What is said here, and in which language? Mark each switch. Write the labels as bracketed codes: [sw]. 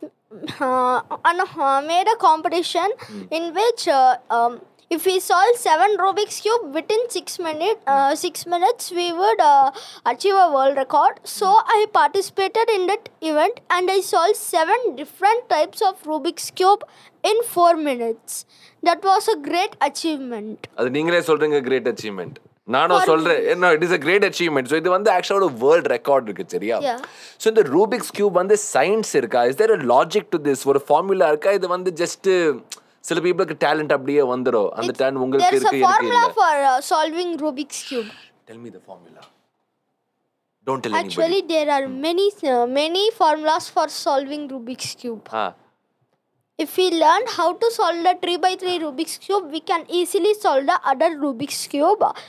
[en] made a competition in which if we solve 7 Rubik's cube within 6 minutes, we would achieve a world record. So, I participated in that event and I solved 7 different types of Rubik's cube in 4 minutes. That was a great achievement. That's what you're a great achievement. [ta] நானும் சொல்றேன், [en] It is a great achievement. [ta] So இது வந்து ஆக்சுவலோட world record இருக்கு, சரியா? So இந்த Rubik's cube வந்து science இருக்கா? [en] Is there a logic to this? [ta] ஒரு ஃபார்முலா இருக்கா? இது வந்து ஜஸ்ட் சில பீப்புளுக்கு டேலண்ட் அப்படியே வந்துடும், அந்த டேலண்ட் உங்களுக்கு இருக்கு? [en] There is a formula for solving Rubik's cube. Tell me the formula. Don't tell anybody. Actually, there are many, many formulas for solving Rubik's cube. If we learn how to solve the 3x3 Rubik's cube, we can easily solve the other Rubik's cube.